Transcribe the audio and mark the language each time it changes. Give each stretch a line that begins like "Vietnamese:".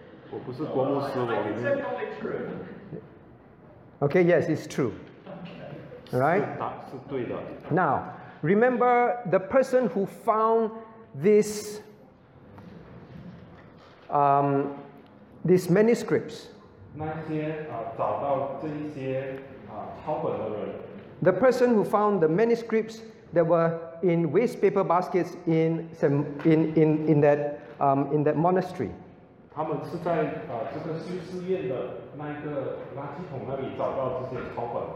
Chinese: 我不是郭牧师，我里面。
English: Okay, yes, it's true. Right?
Chinese: 是对的。
English: Now, remember the person who found this, these manuscripts.
Chinese: 那些找到这一些抄本的人。
English: The person who found the manuscripts that were in waste paper baskets in that monastery.
Chinese: 他们是在这个修士院的那个垃圾桶那里找到这些抄本。